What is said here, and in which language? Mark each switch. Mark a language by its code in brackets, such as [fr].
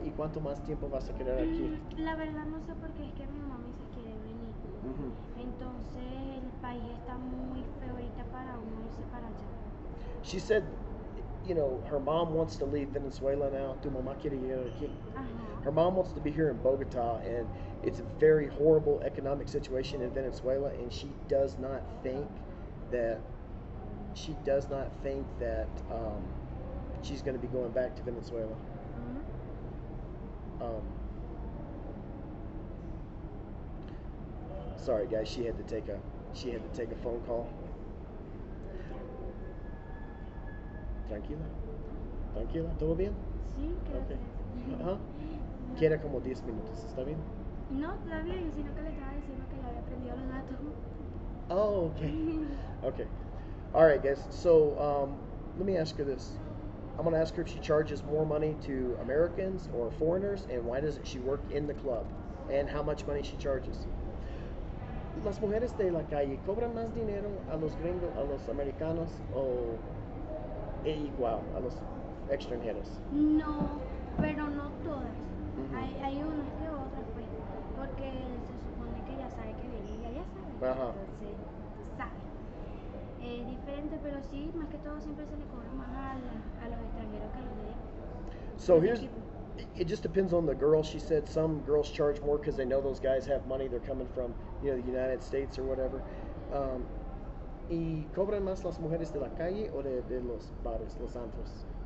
[es] ¿Y cuánto más tiempo vas a quedar aquí? La verdad no sé porque es que mi mami se quiere venir. Mm-hmm. Entonces el país está muy feo ahorita para uno irse para allá. [en] She said, you know, her mom wants to leave Venezuela now. [es] Tu mamá quiere ir aquí. [en] Her mom wants to be here in Bogota, and it's a very horrible economic situation in Venezuela, and she does not think that she's going to be going back to Venezuela. Sorry guys, she had to take a phone call. [es] Tranquila. Tranquila. ¿Todo bien? Sí, gracias. Okay. Queda como 10 minutos. ¿Está bien? No, está bien. Sino que le estaba diciendo que le había aprendido los datos. [en] Oh, okay. Okay. All right, guys. So, let me ask her this. I'm going to ask her if she charges more money to Americans or foreigners, and why doesn't she work in the club, and how much money she charges. [es] ¿Las mujeres de la calle cobran más dinero a los gringos, a los americanos, o...? E igual a los extranjeros. No, pero no todas. Mm-hmm. Hay unas que otras, pues, porque se supone que ya sabe que viene de allá. Entonces, tú sabes. Es diferente, pero sí, más que todo siempre se le cobra más a los extranjeros que a los de ellos. [en] So here's, it just depends on the girl. She said some girls charge more because they know those guys have money. They're coming from, you know, the United States or whatever. [es] ¿Y cobran más las mujeres de la calle o de los bares, los antros?